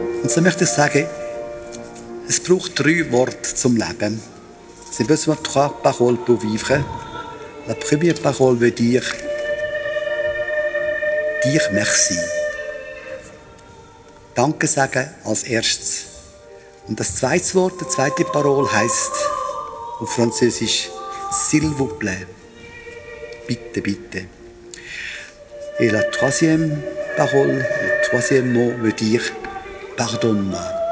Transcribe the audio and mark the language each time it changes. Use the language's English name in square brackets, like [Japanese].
[German] Ich möchte sagen, es braucht 3 Worte zum Leben. Das [French] C'est besoin de trois paroles pour vivre. La première parole veut dire dire merci. [German] Danke sagen als erstes. Und das zweite Wort, die zweite Parole heisst auf Französisch [French] s'il vous plaît. [German] Bitte, bitte. [French] Et la troisième parole, le troisième mot veut dire pardonne-moi.